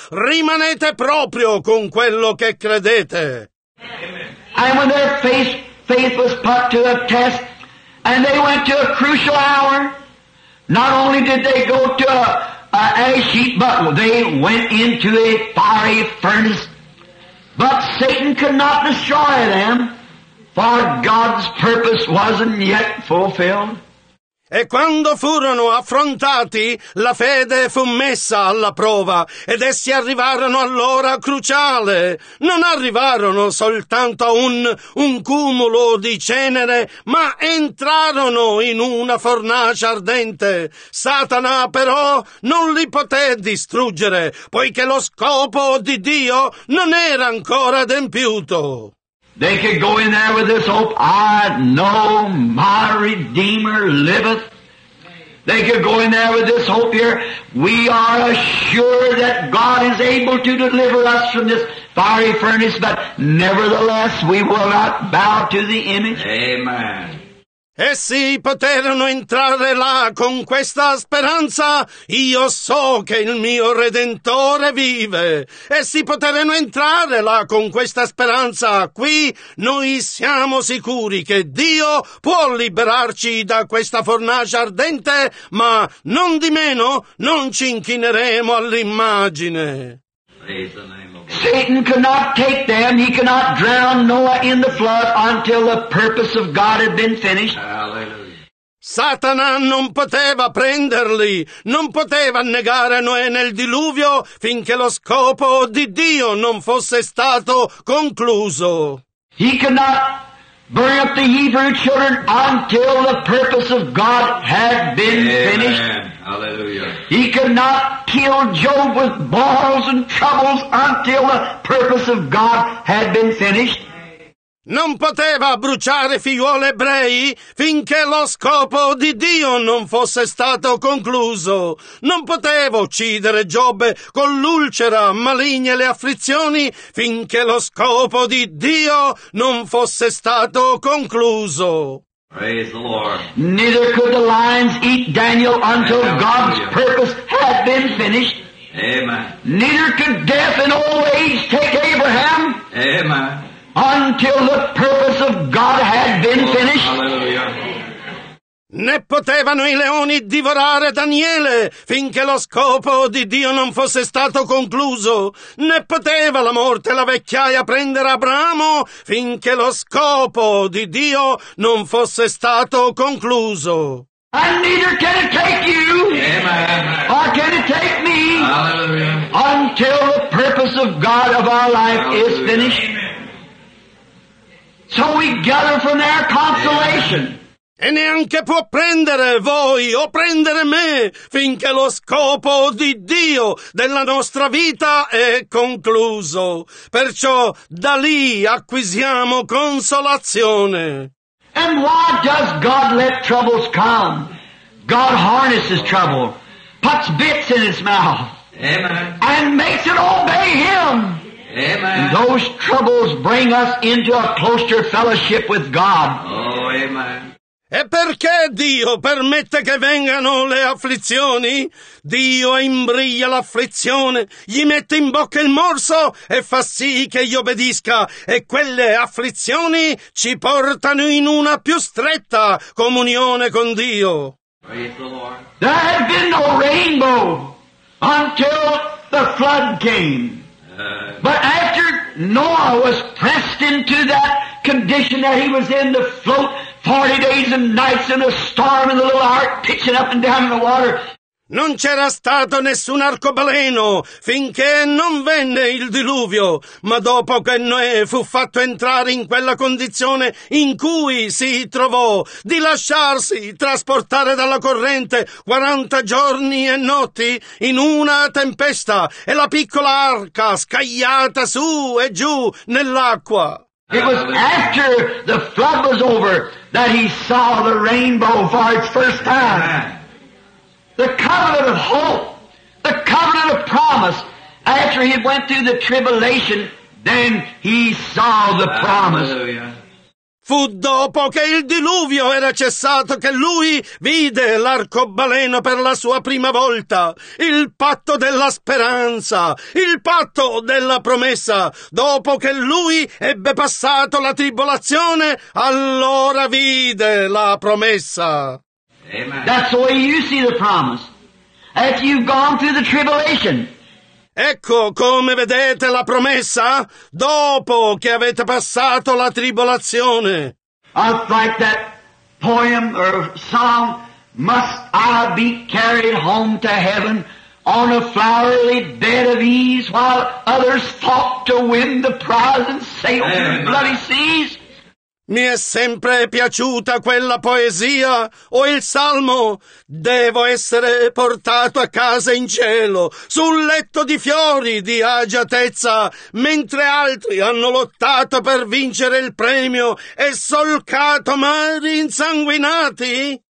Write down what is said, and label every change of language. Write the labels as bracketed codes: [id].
[it] Rimanete proprio con quello che credete. [en] And when their faith was put to a test, and they went to a crucial hour, not only did they go to an ash heap, but they went into a fiery furnace. But Satan could not destroy them, for God's purpose wasn't yet fulfilled. [it] E quando furono affrontati, la fede fu messa alla prova, ed essi arrivarono all'ora cruciale. Non arrivarono soltanto a un cumulo di cenere, ma entrarono in una fornace ardente. Satana però non li poté distruggere, poiché lo scopo di Dio non era ancora adempiuto. [en] They could go in there with this hope, I know my Redeemer liveth. They could go in there with this hope here, we are assured that God is able to deliver us from this fiery furnace, but nevertheless we will not bow to the image. Amen. [it] Essi poterono entrare là con questa speranza. Io so che il mio Redentore vive. Essi poterono entrare là con questa speranza. Qui noi siamo sicuri che Dio può liberarci da questa fornace ardente, ma non di meno non ci inchineremo all'immagine. [en] Satan could not take them. He could not drown Noah in the flood until the purpose of God had been finished. Hallelujah. [it] Satana non poteva prenderli. Non poteva annegare Noè nel diluvio finché lo scopo di Dio non fosse stato concluso. [en] He could not burn up the Hebrew children until the purpose of God had been finished. Hallelujah. He could not kill Job with boils and troubles until the purpose of God had been finished. [it] Non poteva bruciare figlioli ebrei finché lo scopo di Dio non fosse stato concluso. Non poteva uccidere Giobbe con l'ulcera maligna e le afflizioni finché lo scopo di Dio non fosse stato concluso. [en] Praise the Lord. Neither could the lions eat Daniel until God's purpose had been finished. Amen. Amen. Neither could death in old age take Abraham. Amen. Until the purpose of God had been finished. [it] Né potevano i leoni divorare Daniele finché lo scopo di Dio non fosse stato concluso. Né poteva la morte e la vecchiaia prendere Abramo finché lo scopo di Dio non fosse stato concluso. [en] And neither can it take you, amen, or can it take me, hallelujah, until the purpose of God of our life, hallelujah, is finished. Amen. So we gather from their consolation. Amen. [it] E neanche può prendere voi o prendere me finché lo scopo di Dio della nostra vita è concluso. Perciò da lì acquisiamo consolazione. [en] And why does God let troubles come? God harnesses trouble, puts bits in its mouth, amen, and makes it obey Him. Amen. And those troubles bring us into a closer fellowship with God. Oh, amen. [it] E perché Dio permette che vengano le afflizioni? Dio imbriglia l'afflizione, gli mette in bocca il morso e fa sì che gli obbedisca. E quelle afflizioni ci portano in una più stretta comunione con Dio. [en] Praise the Lord. There had been no rainbow until the flood came. But after Noah was pressed into that condition that he was in to float 40 days and nights in a storm in the little ark, pitching up and down in the water. [it] Non c'era stato nessun arcobaleno finché non venne il diluvio, ma dopo che Noè fu fatto entrare in quella condizione in cui si trovò di lasciarsi trasportare dalla corrente 40 giorni e notti in una tempesta e la piccola arca scagliata su e giù nell'acqua. [en] It was after the flood was over that he saw the rainbow for its first time. The covenant of hope, the covenant of promise. After he went through the tribulation, then he saw the promise. [it] Fu dopo che il diluvio era cessato che lui vide l'arcobaleno per la sua prima volta, il patto della speranza, il patto della promessa. Dopo che lui ebbe passato la tribolazione, allora vide la promessa. [en] Amen. That's the way you see the promise. As you've gone through the tribulation. [it] Ecco come vedete la promessa dopo che avete passato la tribolazione. [en] I like that poem or song, must I be carried home to heaven on a flowery bed of ease while others fought to win the prize and sail through the bloody seas? [it] Mi è sempre piaciuta quella poesia o il salmo. Devo essere portato a casa in cielo, sul letto di fiori di agiatezza, mentre altri hanno lottato per vincere il premio e solcato mari insanguinati.